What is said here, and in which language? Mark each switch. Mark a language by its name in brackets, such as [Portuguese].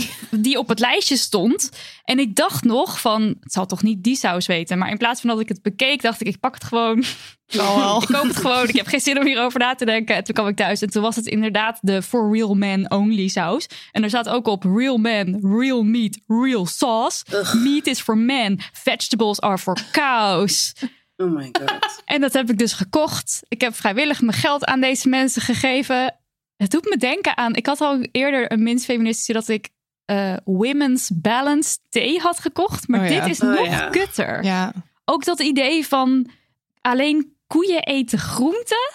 [Dutch] die op het lijstje stond. En ik dacht nog van, het zal toch niet die saus weten. Maar in plaats van dat ik het bekeek, dacht ik, ik pak het gewoon. Oh, ik koop het gewoon. Ik heb geen zin om hierover na te denken. En toen kwam ik thuis. En toen was het inderdaad de For Real Men Only saus. En er staat ook op [English] Real Men, Real Meat, Real Sauce. [Dutch] Ugh. [English] Meat is for men. Vegetables are for cows. Oh my god. [Dutch] En dat heb ik dus gekocht. Ik heb vrijwillig mijn geld aan deze mensen gegeven. Het doet me denken aan, ik had al eerder een minst feministische dat ik Women's Balance thee had gekocht. Maar dit is nog kutter. Ja. Ook dat idee van alleen koeien eten groenten.